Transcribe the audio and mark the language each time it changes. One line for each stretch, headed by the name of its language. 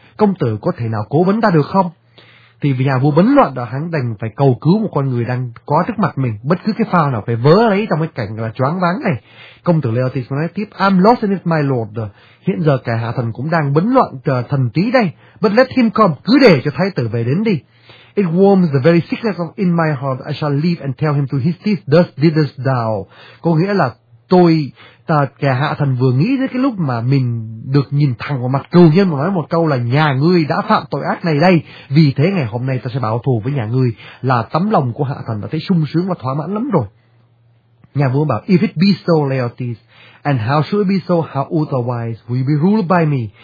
Vietnamese: Công tử có thể nào cố vấn ta được không? Thì vì nhà vua bấn loạn đó, hắn đành phải cầu cứu một con người đang có trước mặt mình, bất cứ cái phao nào phải vớ lấy trong cái cảnh là choáng váng này. Công tử Laertes nói tiếp,
English: I'm lost in it, my lord.
Vietnamese: Hiện giờ cả hạ thần cũng đang bấn loạn chờ thần tí đây.
English: But let him come,
Vietnamese: cứ để cho thái tử về đến đi.
English: It warms the very sickness of in my heart, I shall leave and tell him to his teeth, thus didst thou.
Vietnamese: Có nghĩa là tôi, ta kẻ hạ thần vừa nghĩ tới cái lúc mà mình được nhìn thẳng vào mặt cừu nhân mà nói một câu là nhà ngươi đã phạm tội ác này đây, vì thế ngày hôm nay ta sẽ báo thù với nhà ngươi, là tấm lòng của hạ thần đã thấy sung sướng và thỏa mãn lắm rồi. Nhà vua bảo,
English: if it be so, Laertes, and how should it be so, how otherwise will be ruled by me?